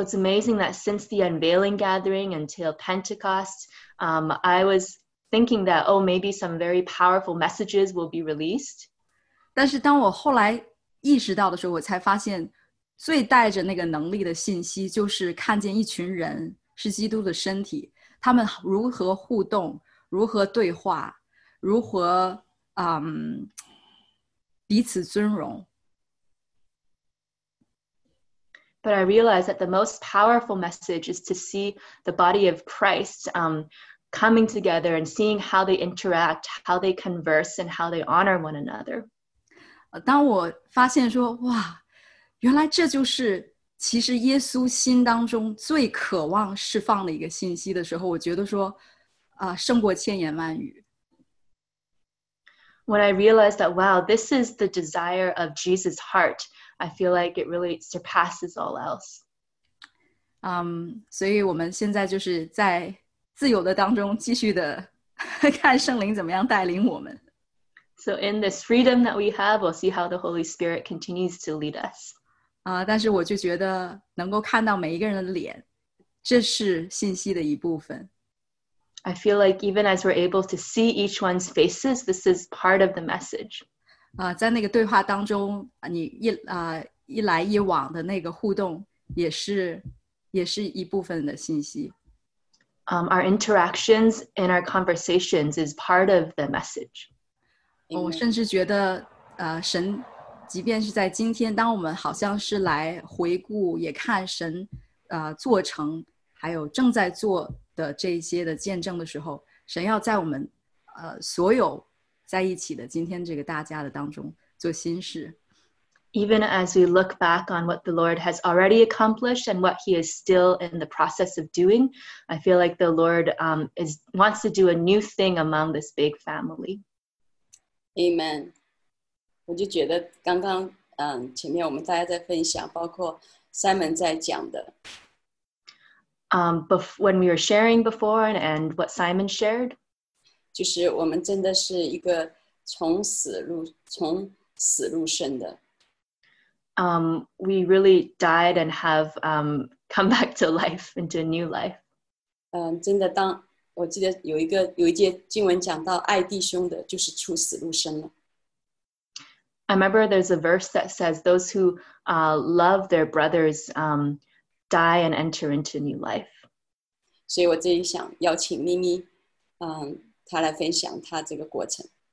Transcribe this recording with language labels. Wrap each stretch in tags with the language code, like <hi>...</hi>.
<en>it's amazing that since the unveiling gathering until Pentecost, I was thinking that, oh, maybe some very powerful messages will be released.</en> <zh>但是当我后来意识到的时候，我才发现 最带着那个能力的信息就是看见一群人是基督的身体，他们如何互动，如何对话，如何彼此尊荣。</zh> <en>But I realized that the most powerful message is to see the body of Christ coming together and seeing how they interact, how they converse, and how they honor one another.</en> <zh>当我发现说哇， 原来这就是其实耶稣心当中最渴望释放的一个信息的时候，我觉得说，胜过千言万语。</zh> <en>when I realized that, wow, this is the desire of Jesus' heart, I feel like it really surpasses all else.</en> <zh>所以我们现在就是在自由的当中继续的看圣灵怎么样带领我们。</zh> <en>So in this freedom that we have, we'll see how the Holy Spirit continues to lead us.</en> <zh>但是我就觉得能够看到每一个人的脸，这是信息的一部分。</zh> <en>I feel like even as we're able to see each one's faces, this is part of the message.</en> <zh>在那个对话当中，你一来一往的那个互动也是一部分的信息。</zh> <en>Our interactions and our conversations is part of the message.</en> <zh>我甚至觉得神即便是在今天当我们好像是来回顾也看神做成还有正在做的这些的见证的时候神要在我们所有在一起的今天这个大家的当中做新事。</zh> <en>Even as we look back on what the Lord has already accomplished and what he is still in the process of doing, I feel like the Lord wants to do a new thing among this big family. Amen.</en> <zh>我就觉得刚刚前面我们大家在分享包括 Simon 在讲的。</zh> <en>When we were sharing before and what Simon shared,</en> <zh>就是我们真的是一个从死入生的。</zh> <en>We really died and have come back to life, into a new life.</en> <zh>真的当我记得有一节经文讲到爱弟兄的就是出死入生了。</zh> <en>I remember there's a verse that says those who love their brothers die and enter into new life.</en> <zh>所以我这里想邀请咪咪她来分享她这个过程。</zh>